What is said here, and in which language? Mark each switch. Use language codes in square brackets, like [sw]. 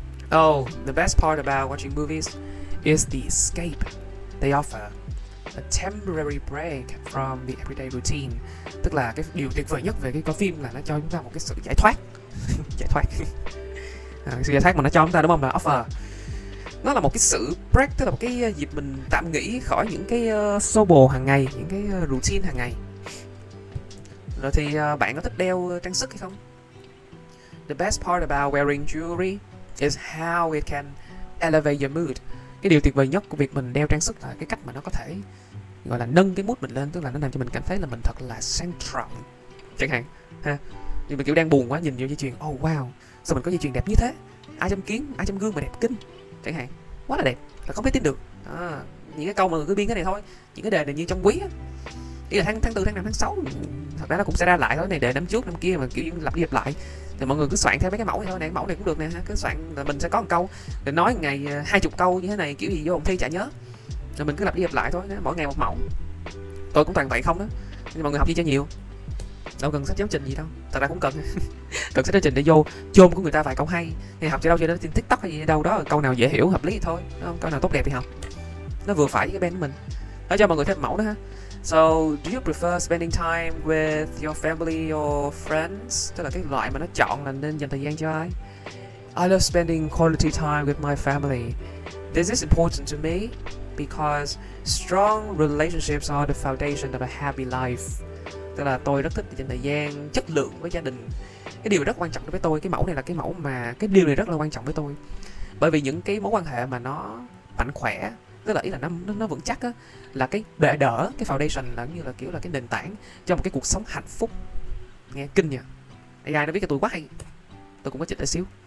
[en] Oh, the best part about watching movies is the escape they offer. A temporary break from the everyday routine. [vi] Tức là cái điều tuyệt vời nhất về cái coi phim là nó cho chúng ta một cái sự giải thoát. Giải thoát. Sự giải thoát mà nó cho chúng ta đúng không, là offer. Nó là một cái sự break, tức là một cái dịp mình tạm nghỉ khỏi những cái xô bồ hàng ngày, những cái routine hàng ngày. Rồi thì bạn có thích đeo trang sức hay không? [en] The best part about wearing jewelry is how it can elevate your mood. [vi] Cái điều tuyệt vời nhất của việc mình đeo trang sức là cái cách mà nó có thể gọi là nâng cái mood mình lên, tức là nó làm cho mình cảm thấy là mình thật là sang trọng. Chẳng hạn, ha, thì mình kiểu đang buồn quá, nhìn vô dây chuyền, [en] oh wow, [vi] sao mình có dây chuyền đẹp như thế? Ai trong kiến, ai trong gương mà đẹp kinh? Chẳng hạn, quá là đẹp, là không thể tin được. À, những cái câu mà người cứ biên cái này thôi, những cái đề này như trong quý á. Ý là tháng 4, tháng 5, tháng 6, thật ra nó cũng sẽ ra lại thôi, này đề năm trước, năm kia mà kiểu lặp đi lặp lại. Thì mọi người cứ soạn theo mấy cái mẫu thôi, này mẫu này cũng được nè, cứ soạn là mình sẽ có một câu để nói ngày 20 câu như thế này, kiểu gì vô phòng thi chả nhớ. Rồi mình cứ lặp đi lặp lại thôi, mỗi ngày một mẫu. Tôi cũng toàn vậy không đó. Nhưng mọi người học gì cho nhiều. Đâu cần sách giáo trình gì đâu. Thật ra cũng cần. Cần sách giáo trình để vô chôm của người ta vài câu hay. Thì học cho đâu cho đến TikTok hay gì đâu đó, câu nào dễ hiểu hợp lý thì thôi, đúng không? Câu nào tốt đẹp thì học. Nó vừa phải với cái band của mình. Đó cho mọi người thêm mẫu đó ha. [en] So, do you prefer spending time with your family or friends? [vi] Tức là cái loại mà nó chọn là nên dành thời gian cho ai? [en] I love spending quality time with my family. This is important to me because strong relationships are the foundation of a happy life. [vi] Tức là tôi rất thích dành thời gian chất lượng với gia đình. Cái điều rất quan trọng đối với tôi, cái mẫu này là cái mẫu mà cái điều này rất là quan trọng với tôi. Bởi vì những cái mối quan hệ mà nó mạnh khỏe, tức là ý là nó vững chắc á, là cái bệ đỡ, cái foundation là như là kiểu là cái nền tảng cho một cái cuộc sống hạnh phúc. Nghe kinh nhờ. AI nó biết cái tôi quá hay. Tôi cũng có chỉnh lại xíu.